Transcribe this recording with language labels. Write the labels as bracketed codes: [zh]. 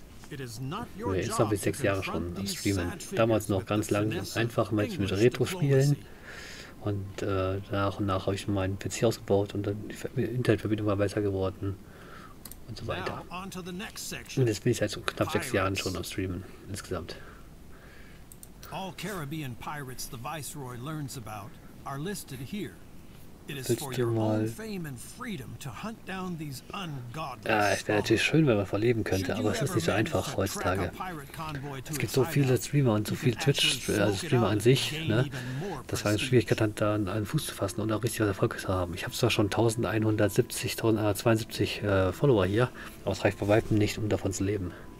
[en] It is not your nee, [de] jetzt habe ich 6 Jahre schon am Streamen. Damals noch ganz lang, einfach mit Retro-Spielen. Und nach und nach habe ich meinen PC ausgebaut und dann die Internetverbindung war besser geworden. Und so weiter. Und jetzt bin ich seit so knapp 6 Jahren schon am Streamen, insgesamt. [en] All Caribbean Pirates, the Viceroy learns about, are listed here. It is for your own fame and freedom to hunt down these ungodly. [de] Ja, es wäre natürlich schön, wenn man verleben könnte, aber es ist nicht so einfach heutzutage. Es gibt so viele Streamer und so viele Twitch-Streamer an sich, ne? Das war eine Schwierigkeit, dann da einen Fuß zu fassen und auch richtig was Erfolg zu haben. Ich habe zwar schon 1172 Follower hier, aber es reicht bei weitem nicht, um davon zu leben.